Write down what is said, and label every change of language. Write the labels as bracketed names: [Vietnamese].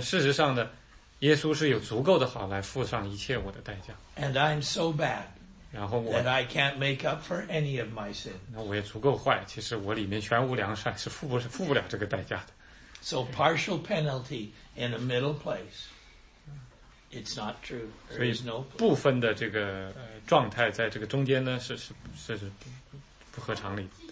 [Chinese] 事实上的耶稣是有足够的好来付上一切我的代价。 [English] And I'm so bad. [Chinese] 然后我。 [English] That I can't make up for any of my sins. [Chinese] 那我也足够坏，其实我里面全无良善，是付不了这个代价的。 [English] So partial penalty in a middle place. It's not true. There is no. [Chinese] 所以部分的这个状态在这个中间呢是不合常理的。